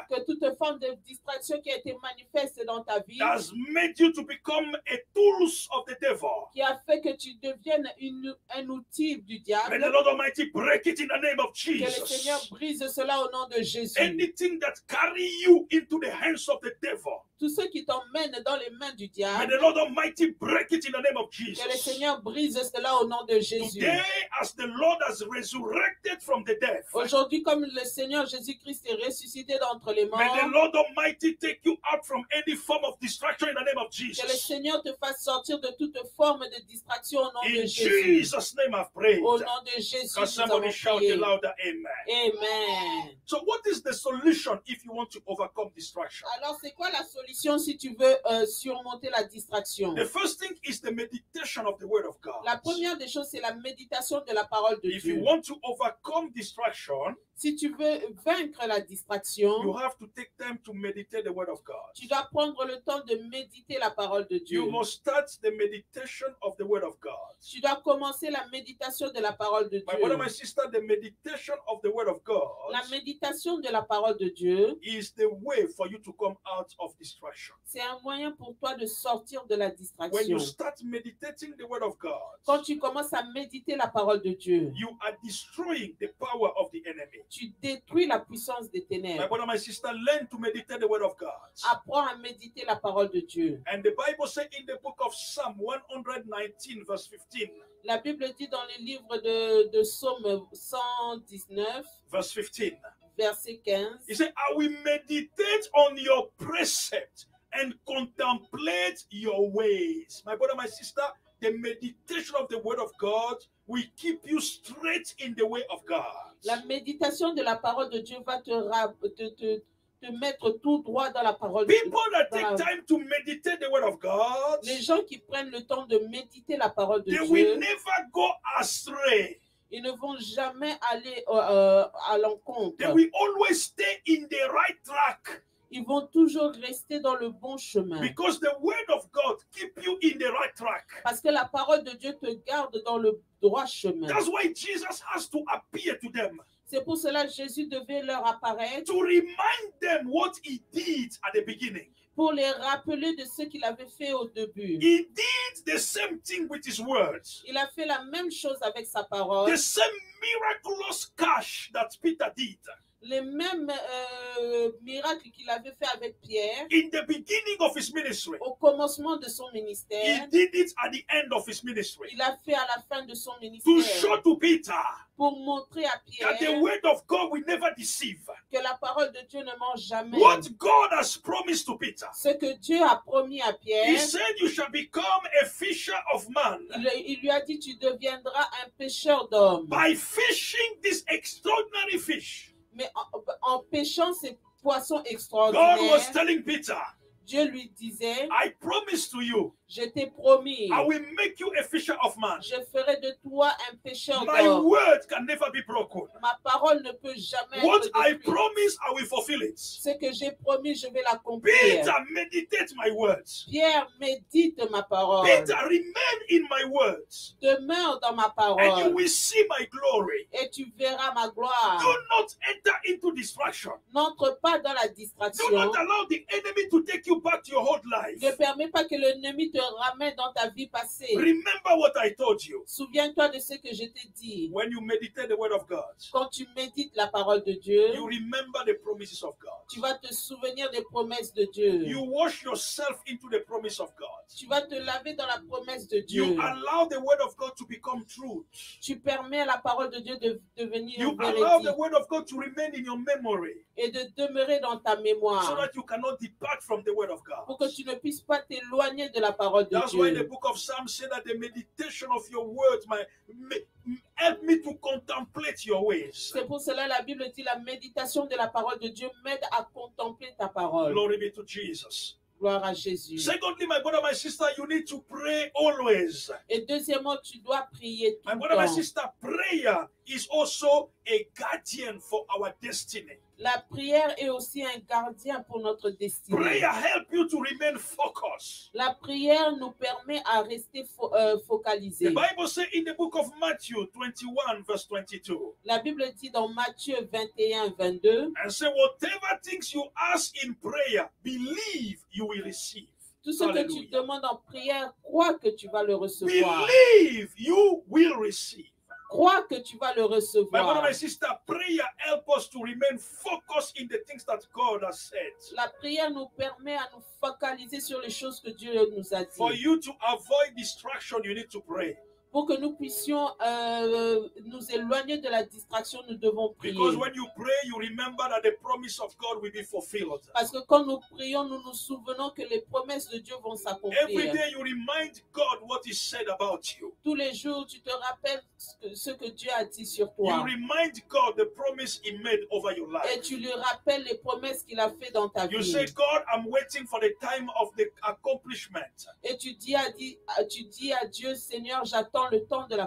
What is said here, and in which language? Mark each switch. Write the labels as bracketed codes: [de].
[fr] Que toute forme de distraction qui a été manifeste dans ta vie. [en] Has made you to become a tool of the devil. [fr] Qui a fait que tu deviennes un outil du diable. [en] May the Lord Almighty break it in the name of Jesus. [fr] Que le Seigneur brise cela au nom de Jésus. [en] Anything that carry you into the hands of the devil. [fr] tous ceux qui t'emmènent dans les mains du diable. [en] May the Lord Almighty break it in the name of Jesus. [fr] Que le Seigneur brise cela au nom de Jésus. [en] Today, as the Lord has resurrected from the dead. [fr] Aujourd'hui, comme le Seigneur Jésus-Christ est ressuscité d'entre les morts. [en] May the Lord Almighty take you out from any form of distraction in the name of Jesus. [fr] Que le Seigneur te fasse sortir de toute forme de distraction au nom [en] in [fr] de Jésus. [en] In Jesus' name, I've prayed. [fr] Au nom de Jésus, [en] can somebody shout [fr] prié. [en] Louder, Amen. Amen. So, what is the solution if you want to overcome distraction? [fr] Alors, c'est quoi la solution si tu veux surmonter la distraction? [en] The first thing is the meditation of the word of God. [fr] La première des choses, c'est la méditation de la parole de [en] if [fr] Dieu. [en] If you want to overcome distraction, [fr] si tu veux vaincre la distraction, [en] you have to take time to meditate the word of God. [fr] Tu dois prendre le temps de méditer la parole de Dieu. [en] You must start the meditation of the word of God. [fr] Tu dois commencer la méditation de la parole de Dieu. [en] My brother, my sister, the meditation of the word of God. [fr] La méditation de la parole de Dieu [en] is the way for you to come out of distraction. [fr] C'est un moyen pour toi de sortir de la distraction. [en] When you start meditating the word of God, [fr] quand tu commences à méditer la parole de Dieu, [en] you are destroying the power of the enemy. [fr] Tu détruis la puissance des ténèbres. [en] My brother, my sister, learn to meditate the word of God. [fr] Apprends à méditer la parole de Dieu. [en] And the Bible says in the book of Psalm 119, verse 15. [fr] La Bible dit dans le livre de Psaume 119, [en] verse 15. [fr] Verset 15. [en] He said, I will meditate on your precept and contemplate your ways. My brother, my sister, the meditation of the word of God will keep you straight in the way of God. [fr] La méditation de la parole de Dieu va te mettre tout droit dans la parole [en] people People that take time to meditate the word of God, [fr] les gens qui prennent le temps de méditer la parole de [en] they [fr] Dieu, [en] will never go astray. [fr] Ils ne vont jamais aller à l'encontre. [en] They will always stay in the right track. [fr] Ils vont toujours rester dans le bon chemin. [en] Because the word of God keep you in the right track. [fr] Parce que la parole de Dieu te garde dans le droit chemin. [en] That's why Jesus has to appear to them. [fr] C'est pour cela que Jésus devait leur apparaître. [en] To remind them what he did at the beginning. [fr] Pour les rappeler de ce qu'il avait fait au début. [en] He did the same thing with his words. [fr] Il a fait la même chose avec sa parole. [en] The same miraculous catch that Peter did. [fr] Les mêmes miracles qu'il avait fait avec Pierre. [en] In the beginning of his ministry. [fr] Au commencement de son ministère. [en] He did it at the end of his ministry. [fr] Il a fait à la fin de son ministère. [en] To show to Peter. [fr] Pour montrer à Pierre. [en] That the word of God will never deceive. [fr] Que la parole de Dieu ne ment jamais. [en] What God has promised to Peter. [fr] Ce que Dieu a promis à Pierre. [en] He said you shall become a fisher of man. [fr] Il lui a dit tu deviendras un pêcheur d'hommes. [en] By fishing this extraordinary fish. [fr] Mais en pêchant ces poissons extraordinaires, [en] God was telling Peter, [fr] Dieu lui disait, [en] I promise to you, [fr] je t'ai promis, [en] I will make you a fisher of man. [fr] Je ferai de toi un pêcheur d'hommes. [en] My word can never be broken. [fr] Ma parole ne peut jamais [en] what [fr] être détruite. [en] What I promise, I will fulfill it. [fr] Ce que j'ai promis, je vais l'accomplir. [en] Peter, meditate my words. [fr] Pierre, médite ma parole. [en] Peter, remain in my words. [fr] Demeure dans ma parole. [en] And you will see my glory. [fr] Et tu verras ma gloire. [en] Do not enter into distraction. [fr] N'entre pas dans la distraction. [en] Do not allow the enemy to take you back to your old life. [fr] Ne permets pas que l'ennemi te ramène dans ta vie passée. [en] Remember what I told you. [fr] Souviens-toi de ce que je t'ai dit. [en] When you meditate the word of God, [fr] quand tu médites la parole de Dieu, [en] you remember the promises of God. [fr] Tu vas te souvenir des promesses de Dieu. [en] You wash yourself into the promise of God. [fr] Tu vas te laver dans la promesse de Dieu. [en] You allow the word of God to become truth. [fr] Tu permets à la parole de Dieu de devenir [en] you [fr] vérité. [en] Allow the word of God to remain in your memory. [fr] Et de demeurer dans ta mémoire. [en] So that you cannot depart from the word of God. [fr] Pour que tu ne puisses pas t'éloigner de la parole de [en] That's [fr] Dieu. [en] That's why the book of Psalms says that the meditation of your word help me to contemplate your ways. [fr] C'est pour cela la Bible dit la méditation de la parole de Dieu m'aide à contempler ta parole. [en] Glory be to Jesus. [fr] Gloire à Jésus. [en] Secondly, my brother, my sister, you need to pray always. [fr] Et deuxièmement, tu dois prier tout le temps. [en] My brother, my sister, prayer is also a guardian for our destiny. [fr] La prière est aussi un gardien pour notre destinée. [en] Prayer help you to remain focused. [fr] La prière nous permet à rester focalisé. [en] The Bible says in the book of Matthew 21 verse 22. [fr] La Bible dit dans Matthieu 21 22. [en] And say whatever things you ask in prayer, believe you will receive. [fr] Tout ce Hallelujah. Que tu demandes en prière, crois que tu vas le recevoir. [en] Believe you will receive. [fr] crois que tu vas le recevoir. [en] My sister, prayer help us to remain focused in the things that God has said. [fr] La prière nous permet à nous focaliser sur les choses que Dieu nous a dit. [en] For you to avoid distraction, you need to pray. [fr] Pour que nous puissions nous éloigner de la distraction, nous devons prier. [en] Because when you pray, you remember that the promise of God will be fulfilled. [fr] Parce que quand nous prions, nous nous souvenons que les promesses de Dieu vont s'accomplir. [en] Every day you remind God what He said about you. [fr] Tous les jours, tu te rappelles ce que Dieu a dit sur toi. [en] You remind God the promise He made over your life. [fr] Et tu lui rappelles les promesses qu'il a fait dans ta vie. [en] You say, God, I'm waiting for the time of the accomplishment. [fr] Et tu dis à Dieu, Seigneur, j'attends le temps de la